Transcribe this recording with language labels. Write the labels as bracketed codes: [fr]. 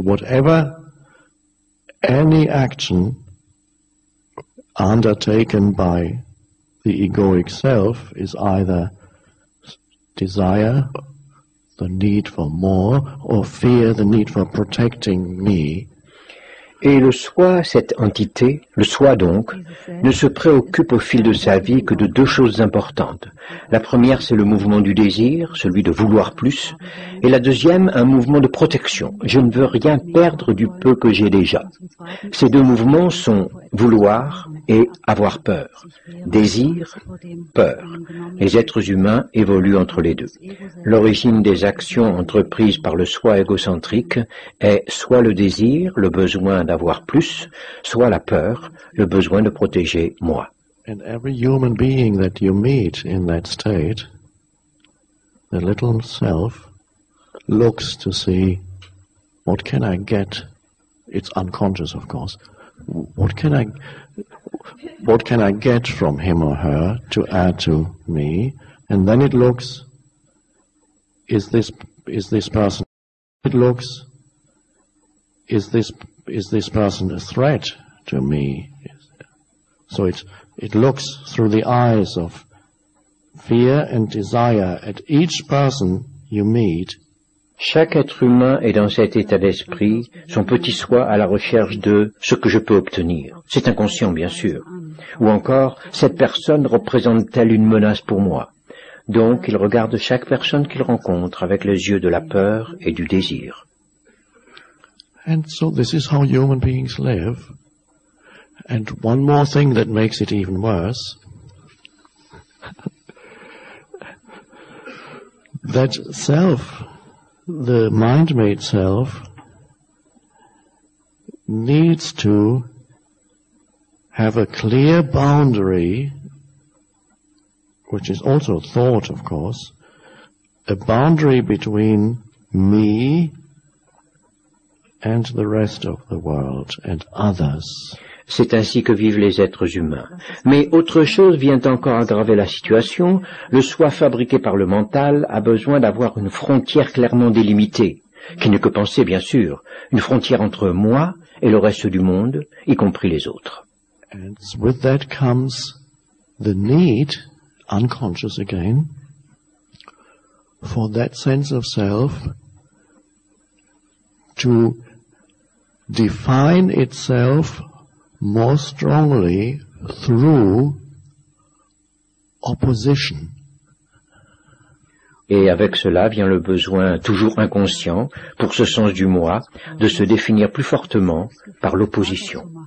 [en] Whatever any action undertaken by the egoic self is either desire, the need for more, or fear, the need for protecting me. [fr] Et le soi, cette entité, le soi donc, ne se préoccupe au fil de sa vie que de deux choses importantes. La première, c'est le mouvement du désir, celui de vouloir plus. Et la deuxième, un mouvement de protection. Je ne veux rien perdre du peu que j'ai déjà. Ces deux mouvements sont vouloir et avoir peur. Désir, peur. Les êtres humains évoluent entre les deux. L'origine des actions entreprises par le soi égocentrique est soit le désir, le besoin d'avoir plus, soit la peur, le besoin de protéger moi. [en] And every human being that you meet in that state, the little self looks to see what can I get. It's unconscious, of course. What can I get from him or her to add to me? And then it looks, is this person? Is this person a threat to me? So it looks through the eyes of fear and desire at each person you meet. [fr] Chaque être humain est dans cet état d'esprit, son petit soi à la recherche de ce que je peux obtenir. C'est inconscient, bien sûr. Ou encore, cette personne représente-t-elle une menace pour moi? Donc, il regarde chaque personne qu'il rencontre avec les yeux de la peur et du désir. [en] And so this is how human beings live. And one more thing that makes it even worse. That self, the mind-made self, needs to have a clear boundary, which is also thought, of course, a boundary between me and the rest of the world and others. [fr] C'est ainsi que vivent les êtres humains. Mais autre chose vient encore aggraver la situation. Le soi fabriqué par le mental a besoin d'avoir une frontière clairement délimitée, qui n'est que pensée, bien sûr, une frontière entre moi et le reste du monde, y compris les autres. [en] And with that comes the need, unconscious again, for that sense of self to define itself more strongly through opposition. [fr] Et avec cela vient le besoin toujours inconscient pour ce sens du moi de se définir plus fortement par l'opposition.